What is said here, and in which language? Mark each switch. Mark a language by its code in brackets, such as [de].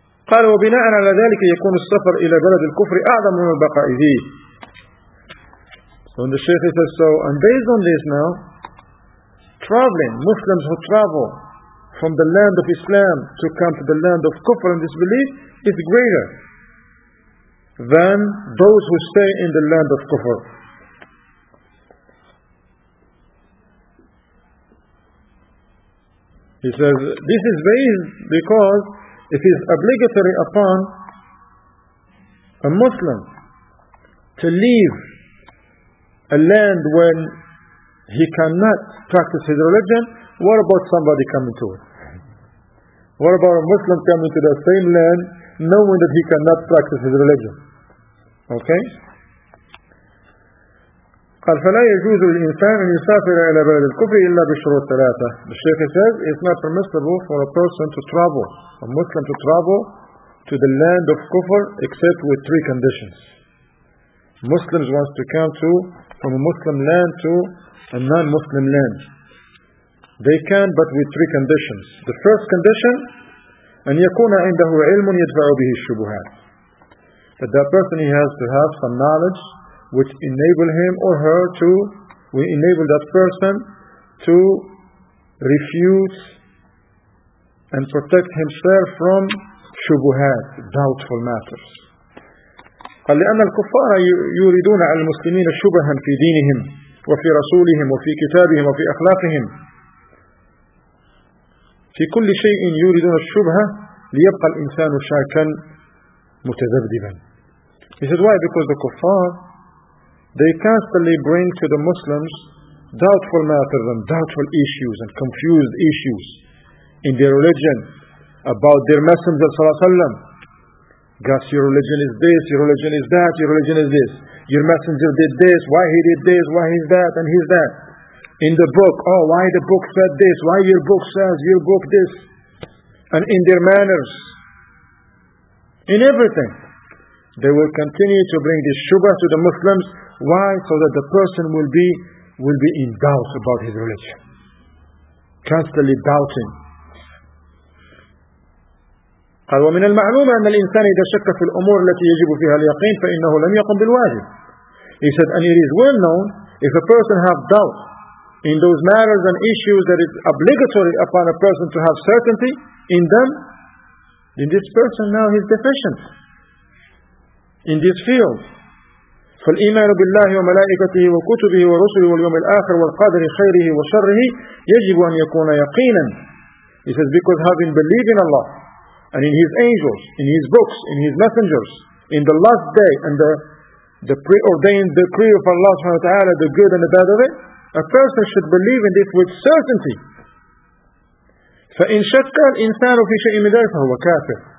[ar] قال وبناء على ذلك يكون السفر إلى بلد الكفر أعظم من البقاء فيه. [en] So the Shaykh says, so, and based on this now, traveling, Muslims who travel from the land of Islam to come to the land of kufr and disbelief is greater than those who stay in the land of kufr. He says, this is based because it is obligatory upon a Muslim to leave a land when he cannot practice his religion. What about somebody coming to it? What about a Muslim coming to the same land knowing that he cannot practice his religion? Okay? [ar] قال فلا يجوز للإنسان أن يسافر إلى بلد الكفر إلا بشروط ثلاثة. [en] The Shaykh says, it's not permissible for a person to travel, a Muslim to travel to the land of kufr except with three conditions. Muslims wants to come to from a Muslim land to a non-Muslim land. They can, but with three conditions. The first condition, [ar] أن يكون عنده علم يدفع به الشبهات. [en] That person, he has to have some knowledge which enable him or her to, we enable that person to refute and protect himself from shubuhat, doubtful matters. [ar] قال لأن الكفار يريدون على المسلمين شبها في دينهم وفي رسولهم وفي كتابهم وفي أخلاقهم في كل شيء يريدون الشبهة ليبقى الإنسان شاكا متذبذبا. [en] He said, why? Because the kuffar, they constantly bring to the Muslims doubtful matters and doubtful issues and confused issues in their religion about their Messenger [ar] صلى الله عليه وسلم. [en] Guess your religion is this, your religion is that, your religion is this. Your Messenger did this, why he did this, why he's that, and he's that. In the book, oh, why the book said this, why your book says your book this. And in their manners, in everything, they will continue to bring this shubha to the Muslims. Why? So that the person will be in doubt about his religion. Constantly doubting. [ar] قال ومن المعلوم أن الإنسان إذا شك في الأمور التي يجب فيها اليقين فإنه لم يقم بالواجب. [en] He said, and it is well known, if a person have doubt in those matters and issues that is obligatory upon a person to have certainty in them, then this person now is deficient in this field. [ar] فالإيمان بالله وملائكته وكتبه ورسله واليوم الآخر والقدر خيره وشره يجب أن يكون يقينا. [en] He says, because having belief in Allah and in His angels, in His books, in His messengers, in the last day and the preordained decree of Allah subhanahu wa ta'ala, the good and the bad of it, a person should believe in this with certainty. [ar] فإن شك الإنسان في شيء من ذلك فهو كافر.